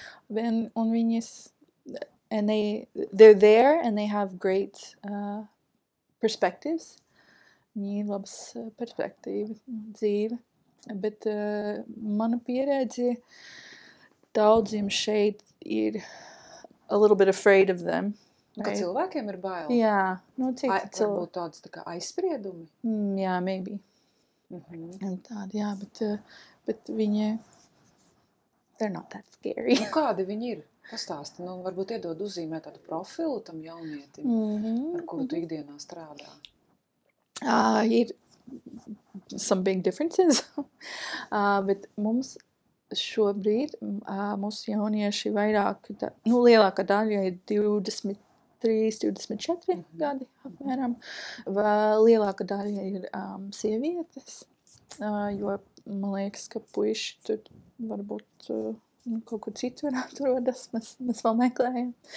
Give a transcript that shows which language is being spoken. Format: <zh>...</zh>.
<lv>Un viņus,</lv> <en>and they're there and they have great perspectives.</en> <lv>Viņi labas perspektīvas dzīve. Bet mana pieredze daudziem šeit ir</lv> <en>a little bit afraid of them.</en> <lv>Right? Kad cilvēkiem ir bail. Jā. Nu, cik varbūt tāds tā kā aizspriedumi?</lv> <en>Jā, yeah, maybe. Mm-hmm.</en> <lv>Un tādi, jā, bet viņi,</lv> <en>they're not that scary.</en> <lv>Nu, kādi viņi ir? Pastāsti. Nu, varbūt iedod uzzīmē tādu profilu tam jaunietim, mm-hmm, ar kuru tu ikdienā strādā. Ir</lv> <en>some big differences.</en> <lv>bet mums šobrīd mūsu jaunieši vairāk, nu, lielākā daļa ir 23, 24 mm-hmm. gadi, apmēram. Lielākā daļa ir sievietes, jo man liekas, ka puiši tur varbūt kaut kur citur atrodas, mēs vēl meklējam.</lv>